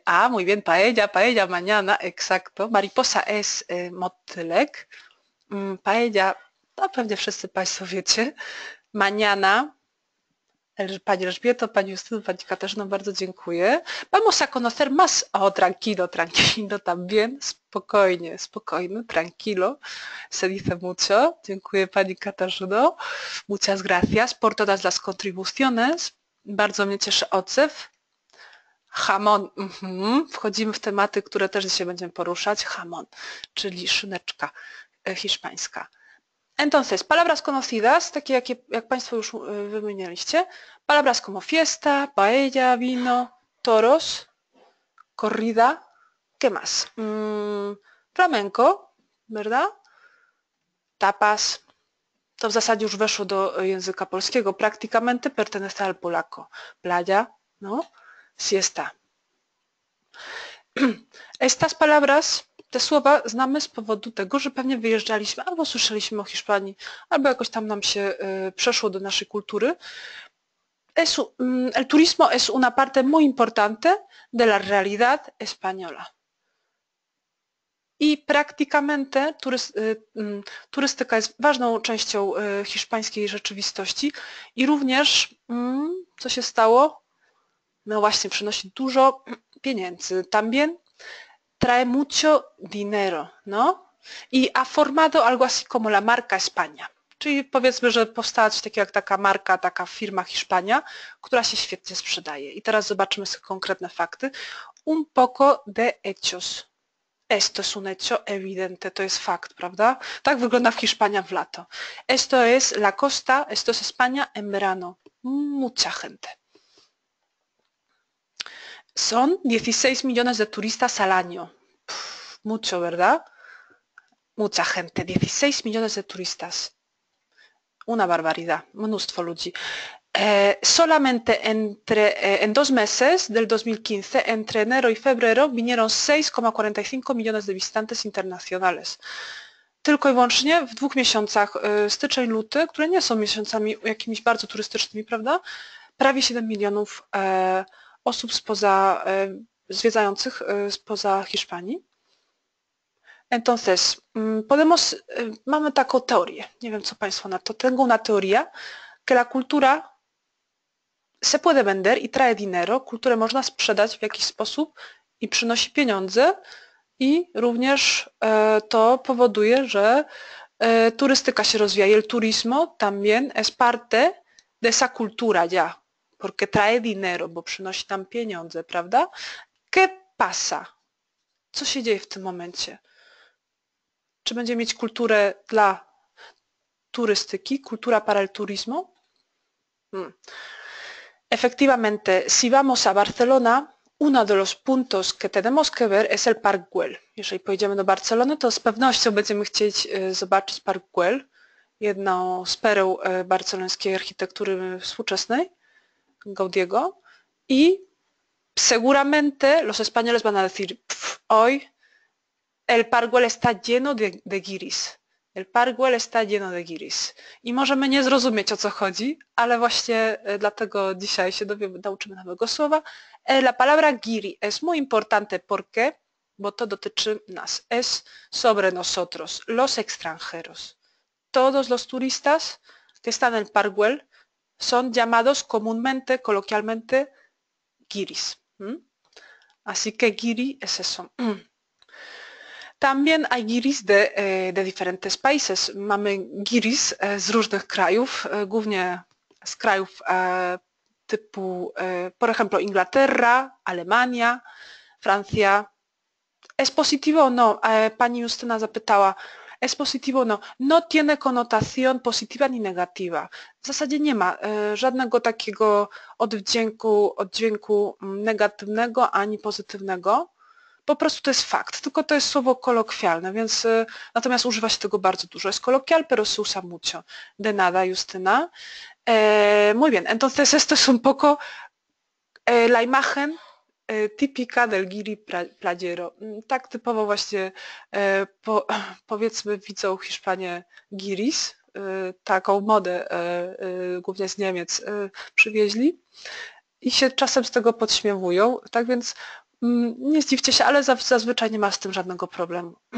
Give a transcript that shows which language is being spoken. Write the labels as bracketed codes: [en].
[es] muy bien, paella, paella, mañana, exacto. Mariposa es [pl] motylek. Paella, no pewnie wszyscy Państwo wiecie. [es] Mañana... [pl] Pani Elżbieto, Pani Justyno, Pani Katarzyno, bardzo dziękuję. [es] Vamos a conocer más... tranquilo, también. [pl] Spokojnie, [es] tranquilo. Se dice mucho. [pl] Dziękuję Pani Katarzyno. [es] Muchas gracias por todas las contribuciones. [pl] Bardzo mnie cieszy odzew. [es] Hamon. [pl] Wchodzimy w tematy, które też dzisiaj będziemy poruszać. Hamon, czyli szyneczka hiszpańska. [es] Entonces, palabras conocidas, [pl] takie jak Państwo już wymienialiście. [es] Palabras como fiesta, paella, vino, toros, corrida. ¿Qué más? Flamenco, ¿verdad? Tapas. [pl] To w zasadzie już weszło do języka polskiego. [es] Practicamente pertenece al polaco. Playa, no? Siesta. Estas palabras, [pl] te słowa znamy z powodu tego, że pewnie wyjeżdżaliśmy albo słyszeliśmy o Hiszpanii, albo jakoś tam nam się przeszło do naszej kultury. [es] El turismo es una parte muy importante de la realidad española. [pl] I praktykamente turystyka jest ważną częścią hiszpańskiej rzeczywistości i również, co się stało, no właśnie, przynosi dużo pieniędzy. [es] También trae mucho dinero, no? I ha formado algo así como la marca España. [pl] Czyli powiedzmy, że powstała coś takiego jak taka marka, taka firma Hiszpania, która się świetnie sprzedaje. I teraz zobaczymy sobie konkretne fakty. [es] Un poco de hechos. Esto es un hecho evidente, [pl] to jest fakt, prawda? Tak wygląda Hiszpania w lato. [es] Esto es la costa, esto es España en verano. Mucha gente. Son 16 millones de turistas al año. Mucho, ¿verdad? Mucha gente, 16 millones de turistas. Una barbaridad, [pl] mnóstwo ludzi. [es] Solamente en 2 meses del 2015, entre enero y febrero, vinieron 6,45 millones de visitantes internacionales. [pl] Tylko i wyłącznie w 2 miesiącach, styczeń, luty, które nie są miesiącami jakimiś bardzo turystycznymi, prawda? Prawie 7 milionów osób zwiedzających spoza Hiszpanii. [es] Entonces, [pl] mamy taką teorię. Nie wiem, co Państwo na to. [es] Tengo una teoría, que la cultura se puede vender y trae dinero. [pl] Kulturę można sprzedać w jakiś sposób i przynosi pieniądze. I również to powoduje, że turystyka się rozwija. [es] El turismo también es parte de esa cultura, ya. Porque trae dinero, [pl] bo przynosi tam pieniądze, prawda? [es] ¿Qué pasa? [pl] Co się dzieje w tym momencie? Czy będzie mieć kulturę dla turystyki, [es] cultura para el turismo? Efectivamente, si vamos a Barcelona, uno de los puntos que tenemos que ver es el Park Güell. [pl] Jeżeli pojedziemy do Barcelony, to z pewnością będziemy chcieć zobaczyć Park Güell, jedną z pereł barcelońskiej architektury współczesnej, Gaudiego. [es] I seguramente los españoles van a decir, hoy el Park Güell está lleno de guiris. El Park Güell está lleno de guiris. [pl] I możemy nie zrozumieć, o co chodzi, ale właśnie dlatego dzisiaj się nauczymy nowego słowa. [es] La palabra guiri es muy importante porque, [pl] bo to dotyczy nas, [es] es sobre nosotros, los extranjeros. Todos los turistas que están en el Park Güell son llamados comúnmente, coloquialmente, guiris. Así que guiri es eso. También hay guiris de diferentes países. [pl] Mamy guiris z różnych krajów, głównie z krajów typu, [es] por ejemplo, Inglaterra, Alemania, [pl] Francja. [es] ¿Es positivo o no? [pl] Pani Justyna zapytała. [es] ¿Es positivo o no? No tiene connotación positiva ni negativa. [pl] W zasadzie nie ma żadnego takiego oddźwięku negatywnego ani pozytywnego. Po prostu to jest fakt, tylko to jest słowo kolokwialne, więc natomiast używa się tego bardzo dużo. [es] Es coloquial, pero se usa mucho. De nada, Justyna. Muy bien, entonces esto es un poco la imagen típica del guiri playero. [pl] Tak typowo właśnie, powiedzmy, widzą Hiszpanie guiris, taką modę głównie z Niemiec przywieźli i się czasem z tego podśmiewują, tak więc nie zdziwcie się, ale zazwyczaj nie ma z tym żadnego problemu.